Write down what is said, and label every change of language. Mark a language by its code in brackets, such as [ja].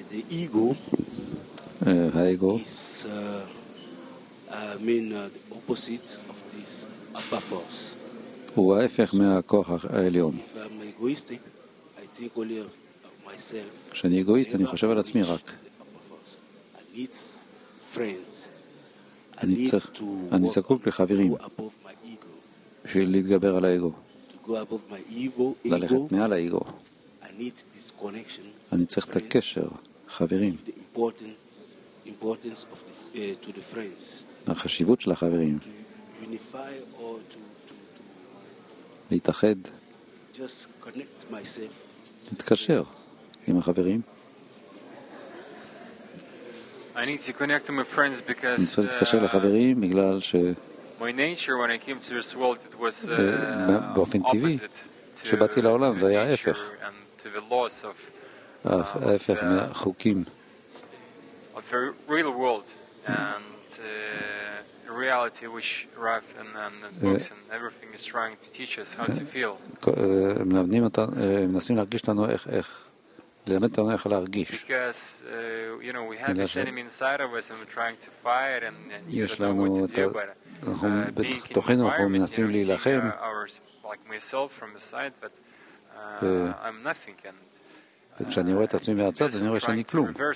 [en] Ego is mean the opposite of this upper force. [he] וההפך מהכוח העליון. [en] If I'm egoistic, I think only of myself. [he] כשאני אגואיסט, אני חושב על עצמי רק. [en] I need friends. [he] אני צריך, אני זקוק לחברים. [en] Above my ego. [he] בשביל להתגבר על האגו. [en] To go above my ego, [he] ללכת מעל האיגו. [en] I need this connection. [he] אני צריך את הקשר, חברים. [en] The importance of to the friends. [he] החשיבות של החברים. [en] To unify or to [he] להתאחד. [en] Just connect myself. [he] להתקשר עם החברים. [en] I need to connect to my friends because [he] אני צריך להתקשר לחברים בגלל ש [en] my nature when I came to this world it was [he] באופן טבעי שבאתי לעולם זה היה ההפך [en] to the laws of [he] ההפך מהחוקים [en] of the real world and reality which arrived and then the books and everything is trying to teach us how to feel [he] מלמדים אותנו מנסים להרגיש לנו איך ללמד אותנו איך להרגיש. [en] Because, you know, we have this enemy inside of us and we're trying to fight and you don't know what to do, but [he] בתוכנו אנחנו מנסים להילחם. [en] Like myself from the side, but I'm nothing. [he] וכשאני רואה את עצמי מהצד, אני רואה שאני כלום.